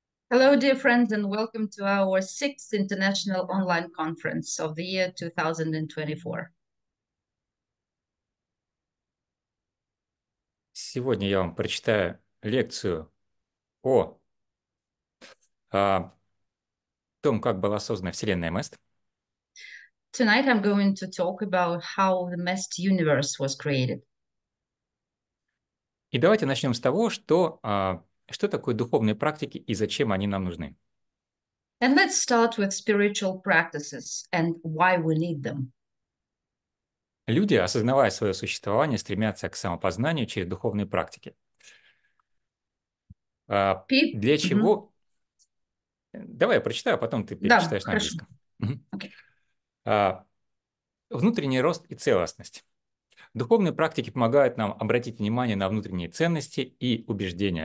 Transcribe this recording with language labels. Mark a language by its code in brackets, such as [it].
[en] Hello, dear friends, and welcome to our sixth international online conference of the year 2024. [ru] Сегодня я вам прочитаю лекцию о том, как была создана Вселенная МЭСТ. [en] Tonight I'm going to talk about how the MEST universe was created. [ru] И давайте начнем с того, что такое духовные практики и зачем они нам нужны. [en] And let's start with spiritual practices and why we need them. [ru] Люди, осознавая свое существование, стремятся к самопознанию через духовные практики. Для чего? Давай я прочитаю, а потом ты перечитаешь на английском. Внутренний рост и целостность. Духовные практики помогают нам обратить внимание на внутренние ценности и убеждения.